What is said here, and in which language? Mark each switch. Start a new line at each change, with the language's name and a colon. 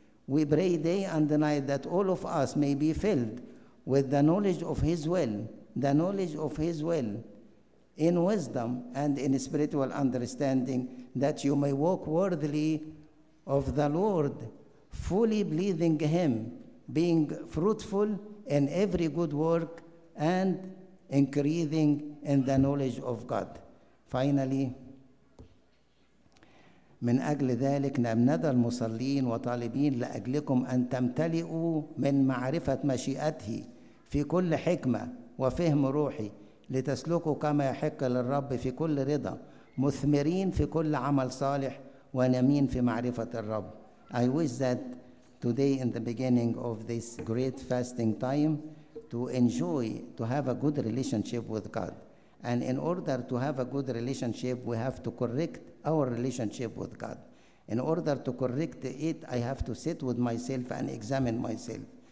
English: We pray day and night that all of us may be filled with the knowledge of His will, the knowledge of His will in wisdom and in spiritual understanding, that you may walk worthily of the Lord, fully believing Him, being fruitful in every good work and increasing in the knowledge of God. Finally,
Arabic: من أجل ذلك نمنذ المصلين وطالبين لأجلكم أن تمتلئوا من معرفة مشيئته في كل حكمة وفهم روحي، لتسلكوا كما يحق للرب في كل رضا، مثمرين في كل عمل صالح ونمين في معرفة الرب.
English: I wish that today in the beginning of this great fasting time to enjoy, to have a good relationship with God. And in order to have a good relationship, we have to correct our relationship with God. In order to correct it, I have to sit with myself and examine myself.